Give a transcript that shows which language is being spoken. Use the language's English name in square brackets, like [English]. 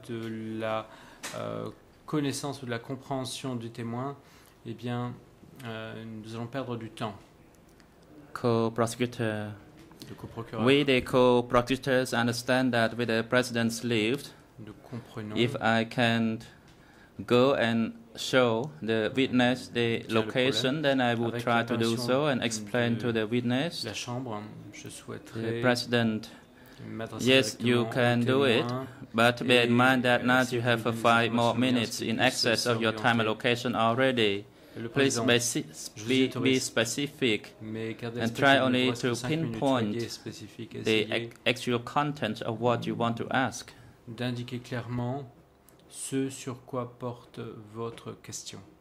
[French] De la connaissance ou de la compréhension du témoin, eh bien, nous allons perdre du temps. [English] Co-prosecutor, we the co-prosecutors understand that with the president's leave, if I can't go and show the witness the location, then I will try to do so and explain to the witness. [French] La chambre, je souhaiterais [English] the president, Yes, you can do it, but bear in mind that now you have 5 more minutes in excess of your time allocation already. Please be specific and try only to pinpoint the actual content of what you want to ask. [French] D'indiquer clairement ce sur quoi porte votre question.